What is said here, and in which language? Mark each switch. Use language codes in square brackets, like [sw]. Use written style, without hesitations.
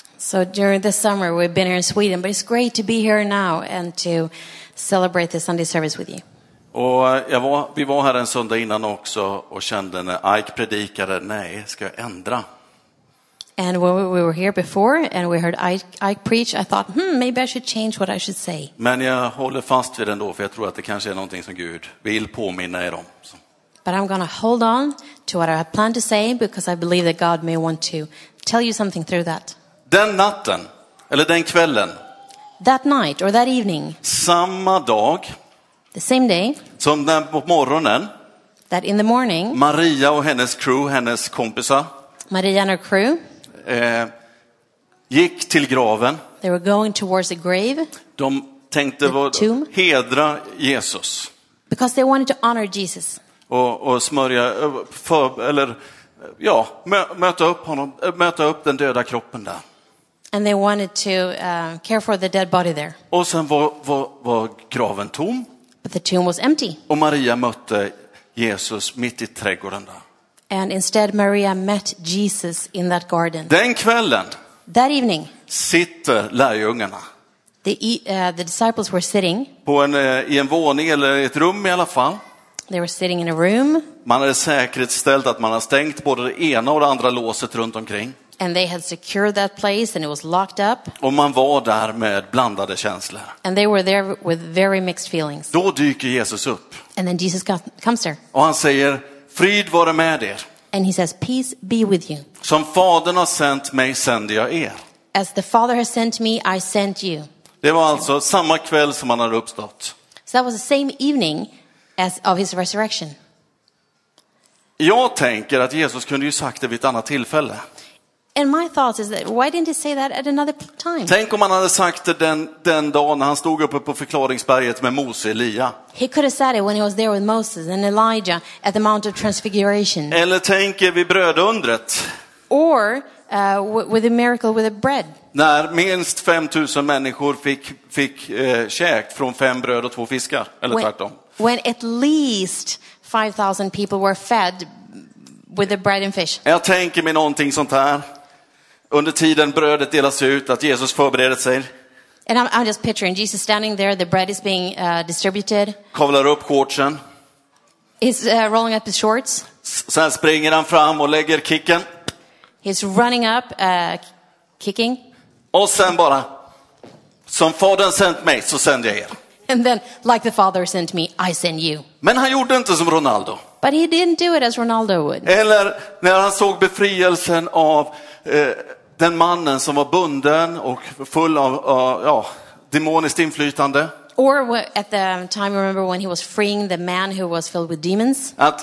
[en] So during the summer we've been here in Sweden, but it's great to be here now and to celebrate the Sunday service with you. [sv] Och vi var här en söndag innan också och kände när Ike predikade, nej, ska jag ändra? [en] And when we were here before and we heard Ike preach, I thought, maybe I should change what I should say. [sv] Men jag håller fast vid den då, för jag tror att det kanske är någonting som Gud vill påminna er om. [en] But I'm going to hold on to what I plan to say because I believe that God may want to tell you something through that. [sv] Den natten, eller den kvällen. [en] That night or that evening. [sv] Samma dag. [en] The same day. [sv] Som den på morgonen. [en] That in the morning. [sv] Maria och hennes crew, hennes kompisar. [en] Maria and her crew. [sv] Gick till graven. [en] They were going towards the grave. [sv] De tänkte hedra Jesus. [en] Because they wanted to honor Jesus. [sv] Och smörja för, eller ja, möta upp honom, möta upp den döda kroppen där. [en] And they wanted to care for the dead body there. [sv] Och sen var graven tom. [en] But the tomb was empty. [sv] Och Maria mötte Jesus mitt i trädgården där. [en] And instead Maria met Jesus in that garden. [sv] Den kvällen. [en] That evening. [sv] Sitter lärjungarna. [en] The disciples were sitting. [sv] På en våning eller ett rum i alla fall. [en] They were sitting in a room. [sv] Man hade säkerställt att man har stängt både det ena och det andra låset runt omkring. [en] And they had secured that place and it was locked up. [sv] Och man var där med blandade känslor. [en] And they were there with very mixed feelings. [sv] Då dyker Jesus upp. [en] And then Jesus comes there. [sv] Och han säger, frid vare med er. [en] And he says, peace be with you. [sv] Som fadern har sänt mig, sänder jag er. [en] As the father has sent me, I sent you. [sv] Det var alltså samma kväll som han hade uppstått. [en] So that was the same evening as of his resurrection. [sv] Jag tänker att Jesus kunde ju sagt det vid ett annat tillfälle. [en] And my thought is that why didn't he say that at another time? [sv] Tänk om han hade sagt det den dagen han stod uppe på förklaringsberget med Mose och Elia. [en] He could have said it when he was there with Moses and Elijah at the Mount of Transfiguration. [sv] Eller tänker vi brödundret? [en] Or with a miracle with a bread. [sv] När minst 5000 människor fick käkt från 5 bröd och 2 fiskar eller tvärtom. [en] When at least 5000 people were fed with the bread and fish. [sv] Jag tänker mig någonting sånt här. Under tiden brödet delas ut, att Jesus förbereder sig. [en] And I'm just picturing Jesus standing there, the bread is being distributed. [sv] Kavlar upp shortsen. [en] He's rolling up his shorts. [sv] Sen springer han fram och lägger kicken. [en] He's running up, kicking. [sv] Och sen bara, som fadern sänt mig så sänder jag er. [en] And then, like the father sent me, I send you. [sv] Men han gjorde inte som Ronaldo. [en] But he didn't do it as Ronaldo would. [sv] Eller när han såg befrielsen av den mannen som var bunden och full av demoniskt inflytande. [en] Or at the time, remember when he was freeing the man who was filled with demons?